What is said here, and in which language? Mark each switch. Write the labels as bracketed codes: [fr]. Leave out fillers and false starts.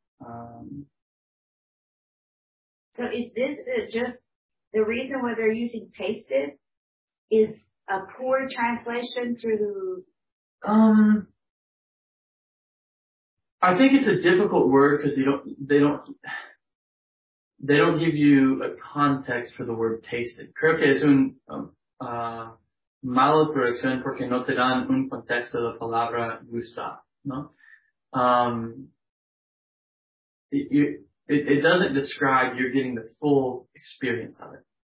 [en] So is this just the reason why they're using tasted? Is a poor translation through the... I think it's a difficult word because they don't give you a context for the word tasted. [es] Creo que es un mala traducción porque no te dan un contexto de la palabra gustar, ¿no? [en] It doesn't describe you're getting the full experience of it.